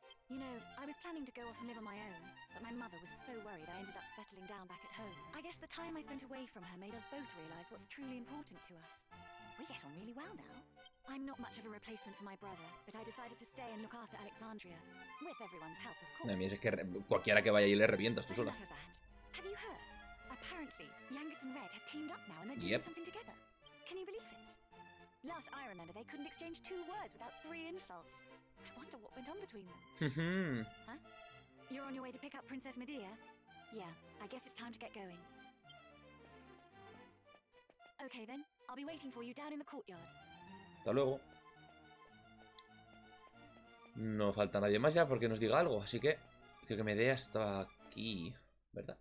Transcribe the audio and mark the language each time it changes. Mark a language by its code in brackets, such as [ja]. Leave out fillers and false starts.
[en] You know, I was planning to go off and live on my own, but my mother was so worried I ended up settling down back at home. I guess the time I spent away from her made us both realize what's truly important to us. We get on really well now. I'm not much of a replacement for my brother, but I decided to stay and look after Alexandria. With everyone's help, of course. [es] No, es que cualquiera que vaya y le revientas tú sola. [en] Enough of that. Have you heard? Apparently, Yangus and Red have teamed up now and they're doing something together. Can you believe it? Last I remember, they couldn't exchange two words without three insults. I wonder what went on between them. Huh? You're on your way to pick up Princess Medea? Yeah, I guess it's time to get going. Okay then, I'll be waiting for you down in the courtyard. [es] Hasta luego. No falta nadie más ya porque nos diga algo, así que creo que Medea estaba aquí, ¿verdad?